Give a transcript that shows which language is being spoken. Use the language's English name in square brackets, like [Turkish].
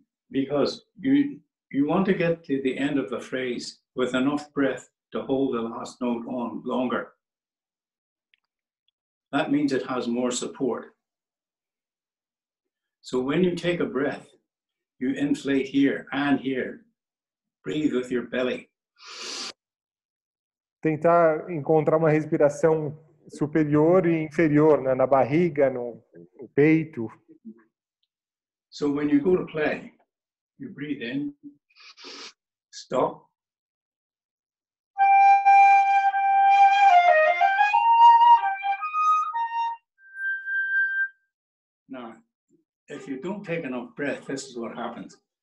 [English] Because you want to get to the end of the phrase with enough breath to hold the last note on longer. That means it has more support. So when you take a breath, you inflate here and here. Breathe with your belly. [Portuguese] Tentar encontrar uma respiração superior e inferior, né? Na barriga, no peito. [English] So when you go to play, you breathe in, stop. Now, if you don't take enough breath, this is what happens.